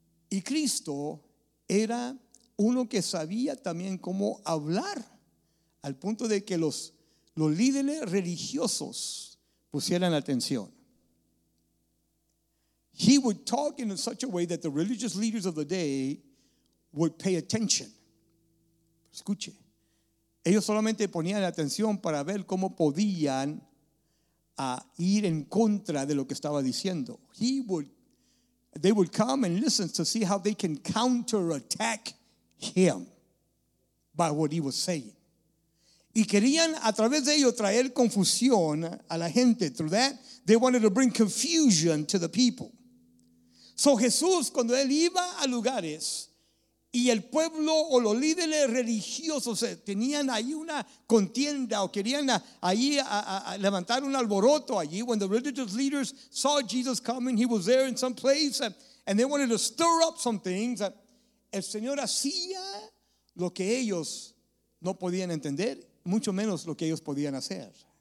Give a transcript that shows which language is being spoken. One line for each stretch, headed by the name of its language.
Spanish: Y Cristo era uno que sabía también cómo hablar, al punto de que los líderes religiosos pusieran atención.
English: He would talk in such a way that the religious leaders of the day would pay attention.
Spanish: Escuche. Ellos solamente ponían atención para ver cómo podían ir en contra de lo que estaba diciendo.
English: They would come and listen to see how they can counterattack him by what he was saying.
Spanish: Y querían a través de ello traer confusión a la gente.
English: Through that, they wanted to bring confusion to the people.
Spanish: So Jesús, cuando Él iba a lugares y el pueblo o los líderes religiosos tenían ahí una contienda o querían ahí levantar un alboroto allí,
English: when the religious leaders saw Jesus coming, He was there in some place and they wanted to stir up some things,
Spanish: el Señor hacía lo que ellos no podían entender, mucho menos lo que ellos podían hacer.